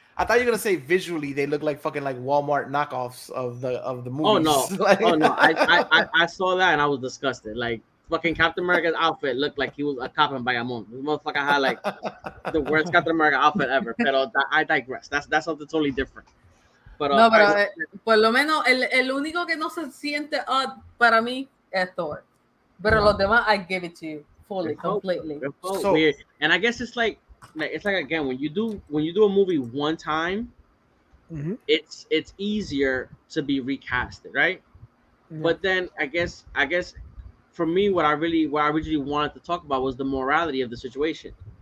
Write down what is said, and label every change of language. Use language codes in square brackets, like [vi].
[en] I thought you were going to say visually they look like fucking like Walmart knockoffs of the movies. Oh, no. Like, oh, no. I saw that and I was disgusted. Like, fucking Captain America's outfit looked like he was a cop in Bayamón. This motherfucker had, like, the worst Captain America outfit ever. But I digress. That's something totally different. [es] Por lo menos, el único que no se siente odd para mí es Thor. Pero los demás, [en] I give it to you fully, completely. It's so weird. And I guess it's like, again, when you do a movie one time, it's easier to be recasted, right? Mm-hmm. But then I guess for me, what I originally wanted to talk about was the morality of the situation.